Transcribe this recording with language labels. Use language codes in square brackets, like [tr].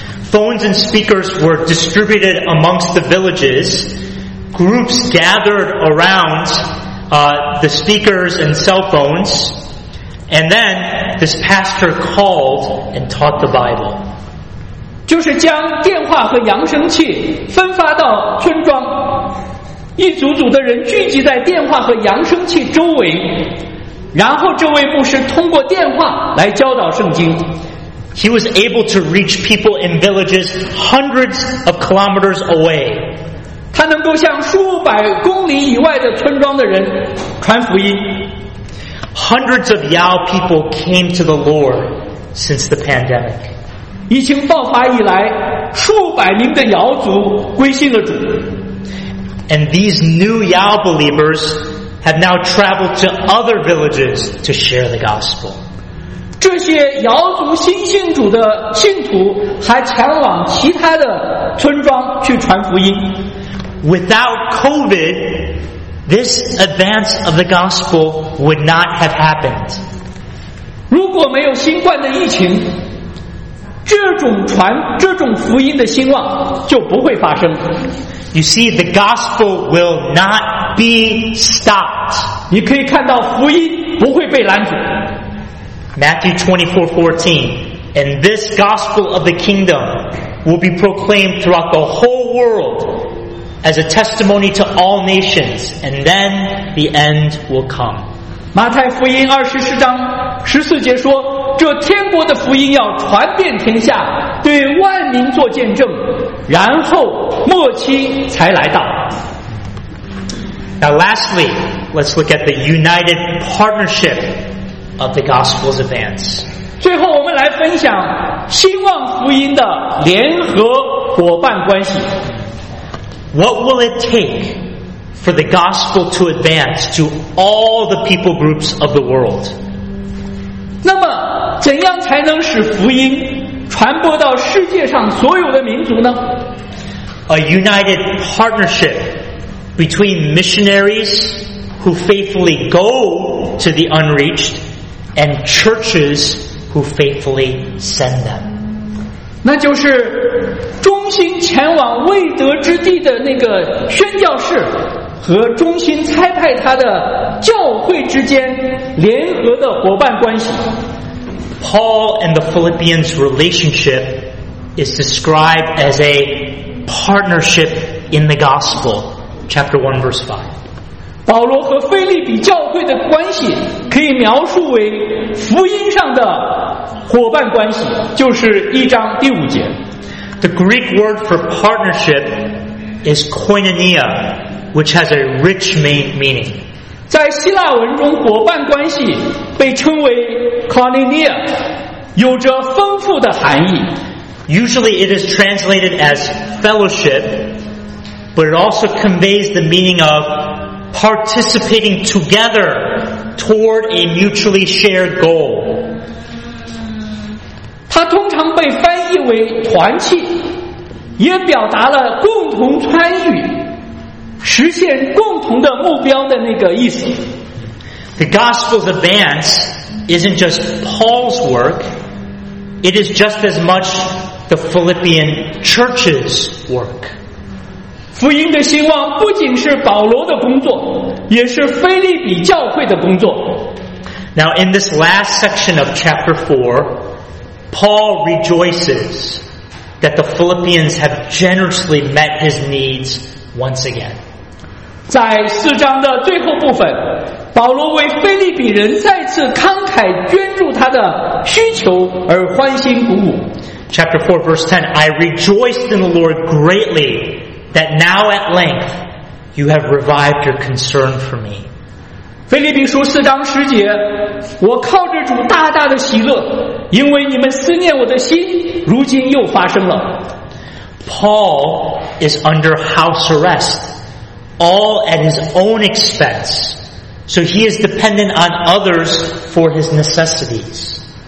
[en] Phones and speakers were distributed amongst the villages. Groups gathered around the speakers and cell phones. And then this pastor called and taught the Bible. [zh] 就是将电话和扬声器分发到村庄，一组组的人聚集在电话和扬声器周围，然后这位牧师通过电话来教导圣经。 [en] He was able to reach people in villages hundreds of kilometers away. [zh] 他能够向数百公里以外的村庄的人传福音。 [en] Hundreds of Yao people came to the Lord since the pandemic. [zh] 疫情爆发以来，数百名的瑶族归信了主。 [en] And these new Yao believers have now traveled to other villages to share the gospel. [zh] 这些瑶族新信主的信徒还前往其他的村庄去传福音。 [en] Without COVID, this advance of the gospel would not have happened. [zh] 如果没有新冠的疫情，这种福音的兴旺就不会发生。 [en] You see, the gospel will not be stopped. [zh] 你可以看到福音不会被拦阻。 [en] Matthew 24:14, and this gospel of the kingdom will be proclaimed throughout the whole world as a testimony to all nations, and then the end will come. [zh] 马太福音24:14说，这天国的福音要传遍天下，对万民做见证，然后末期才来到。 [en] Now lastly, let's look at the united partnership of the gospel's advance. [zh] 最后我们来分享兴旺福音的联合伙伴关系。 [en] What will it take for the gospel to advance to all the people groups of the world? [zh] 那么怎样才能使福音传播到世界上所有的民族呢？ [en] A united partnership between missionaries who faithfully go to the unreached and churches who faithfully send them. [zh] 那就是忠心前往未得之地的那个宣教士和忠心差派他的教会之间联合的伙伴关系。 [en] Paul and the Philippians' relationship is described as a partnership in the gospel, chapter 1, verse 5. [zh] 保罗和腓立比教会的关系可以描述为福音上的伙伴关系，就是一章第五节。 [en] The Greek word for partnership is koinonia, which has a rich meaning. [zh] 在希腊文中，伙伴关系被称为 koinonia, 有着丰富的含义。 [en] Usually it is translated as fellowship, but it also conveys the meaning of participating together toward a mutually shared goal. [zh] 它通常被翻译为团契，也表达了共同参与，实现共同的目标的那个意思。 [en] The gospel's advance isn't just Paul's work, it is just as much the Philippian church's work. [zh] 福音的兴旺不仅是保罗的工作，也是腓立比教会的工作。 [en] Now in this last section of chapter 4, Paul rejoices that the Philippians have generously met his needs once again. [zh] 在四章的最后部分，保罗为腓立比人再次慷慨捐助他的需求而欢欣鼓舞。 [en] Chapter 4, verse 10, I rejoiced in the Lord greatly that now at length you have revived your concern for me. [zh] 腓立比书四章十节，我靠着主大大的喜乐，因为你们思念我的心如今又发生了。 [en] Paul is under house arrest, all at his own expense, so he is dependent on others for his necessities.